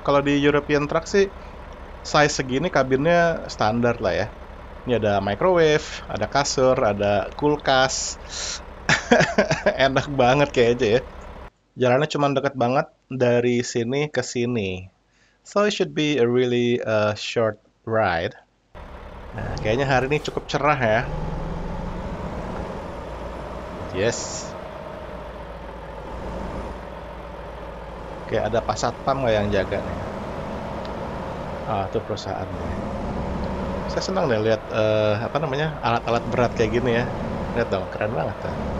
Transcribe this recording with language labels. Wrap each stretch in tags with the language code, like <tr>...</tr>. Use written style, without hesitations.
<id>Kalau di European truck sih, size segini kabinnya standar lah ya. Ini ada microwave, ada kasur, ada kulkas. Enak banget kayak aja ya. Jalannya cuma deket banget dari sini ke sini.</id> <en>So it should be a really short ride.</en> <id>Nah, kayaknya hari ini cukup cerah ya.</id> <en>Yes.</en> <id>Kayak ada pas satpam nggak yang jaga nih? Ah, itu perusahaannya. Saya senang deh lihat apa namanya alat-alat berat kayak gini ya. Lihat dong, keren banget. Ya.</id>